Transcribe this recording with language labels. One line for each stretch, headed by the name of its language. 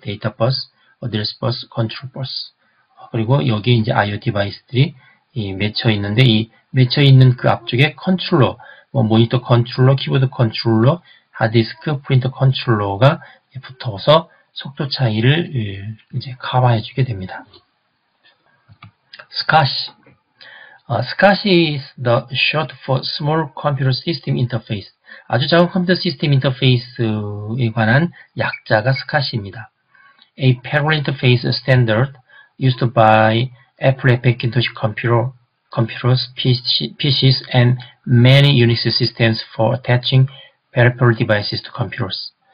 Korean: 데이터 버스, 어드레스 버스, 컨트롤 버스. 그리고 여기 이제 IO 디바이스들이 이 맺혀 있는데 이 맺혀 있는 그 앞쪽에 컨트롤러, 뭐 모니터 컨트롤러, 키보드 컨트롤러, 하드디스크, 프린터 컨트롤러가 붙어서 속도 차이를 이제 커버해 주게 됩니다.
English: SCSI. SCSI is the short for Small Computer System Interface.
Korean: 아주 작은 컴퓨터 시스템 인터페이스에 관한 약자가 SCSI입니다.
English: A parallel interface standard used by Apple, Macintosh computers, PCs, and many Unix systems for attaching peripheral devices to computers.